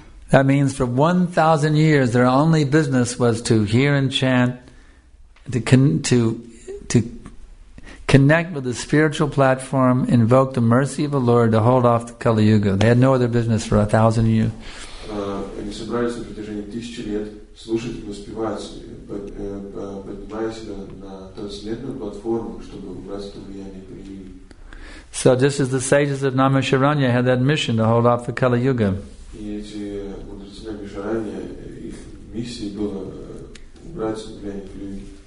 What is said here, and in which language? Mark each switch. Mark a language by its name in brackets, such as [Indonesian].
[English] That means for 1,000 years their only business was to hear and chant, to connect with the spiritual platform, invoke the mercy of the Lord to hold off the Kali Yuga. They had no other business for 1,000 years. [Russian] Они собрались на протяжении тысячи лет слушать и воспевать, поднимая себя на трансцендентную платформу, чтобы убрать это влияние Кали Юги. [English] So just as the sages of Naimisharanya had that mission to hold off the Kali Yuga. [Russian] И эти мудрецы Наймишаранья, их миссией было убрать влияние Кали Юги.